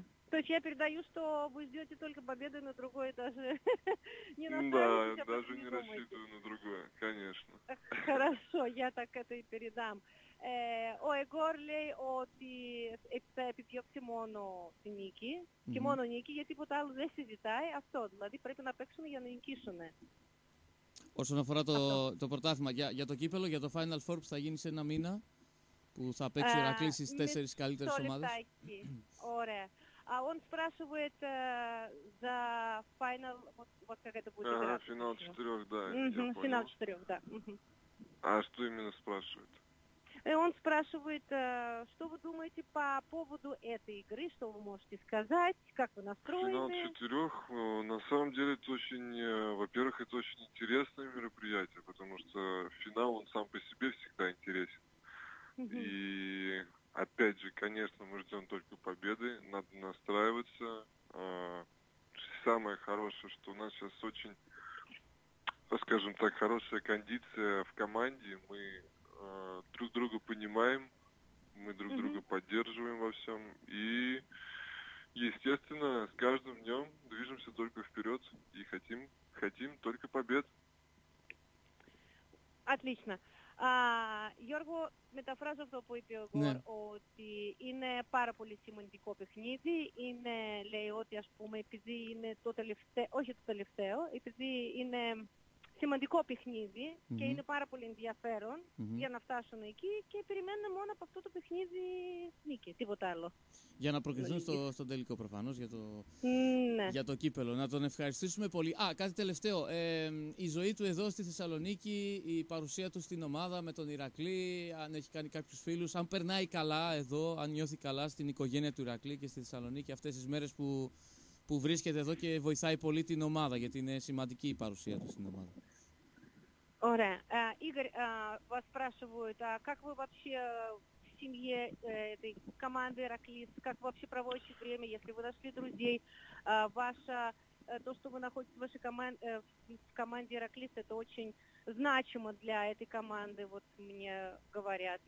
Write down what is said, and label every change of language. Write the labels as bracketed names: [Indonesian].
[Russian] То есть я передаю, что вы ждете только победы на другой этаже. Не настраивайтесь. Да, даже не рассчитываю на другое, конечно. Хорошо, я так это и передам. [Greek] Ο Εγκόρ λέει ότι θα επιδιώξει μόνο τη νίκη και μόνο νίκη, γιατί τίποτα άλλο δεν συζητάει. Αυτό δηλαδή πρέπει να παίξουν για να νικήσουν. Όσον αφορά το πρωτάθλημα, για το κύπελο, για το Final Four που θα γίνει σε ένα μήνα, που θα παίξει ο Ηρακλής στις τέσσερις καλύτερες ομάδες. Ωραία. Αν σπράσουμε το Final... [Russian] Final 4, да. Final 4, да. А что именно спрашивает? Он спрашивает, что вы думаете по поводу этой игры, что вы можете сказать, как вы настроены? Финал четырех, на самом деле, это очень, во-первых, это очень интересное мероприятие, потому что финал, он сам по себе всегда интересен. И, опять же, конечно, мы ждем только победы, надо настраиваться. Самое хорошее, что у нас сейчас очень, скажем так, хорошая кондиция в команде, мы... друг друга понимаем, мы друг друга поддерживаем во всем. И, естественно, с каждым днем движемся только вперед и хотим только побед. Отлично. [Greek] Γιώργο, μεταφράζω αυτό που είπε ο Γκορ, ότι είναι πάρα πολύ σημαντικό παιχνίδι. Είναι, λέει, ότι ας πούμε, επειδή είναι το τελευταίο, όχι το τελευταίο, επειδή είναι... σημαντικό παιχνίδι και είναι πάρα πολύ ενδιαφέρον για να φτάσουν εκεί και περιμένουν μόνο από αυτό το παιχνίδι νίκη, τίποτα άλλο. Για να προκριθούν στο τελικό προφανώς για, ναι, για το κύπελο. Να τον ευχαριστήσουμε πολύ. Α, κάτι τελευταίο. Η ζωή του εδώ στη Θεσσαλονίκη, η παρουσία του στην ομάδα με τον Ηρακλή, αν έχει κάνει κάποιους φίλους, αν περνάει καλά εδώ, αν νιώθει καλά στην οικογένεια του Ηρακλή και στη Θεσσαλονίκη αυτές τις μέρες που βρίσκεται εδώ και βοηθάει πολύ την ομάδα, γιατί είναι σημαντική η παρουσία του στην ομάδα. Ωραία. [Russian] Игорь, вас спрашивают, а как вы вообще в семье этой команды Ираклис, как вообще проводите время, если вы нашли друзей, ваша, то, что вы находитесь в вашей команде Ираклис, это очень значимо для этой команды, вот мне говорят.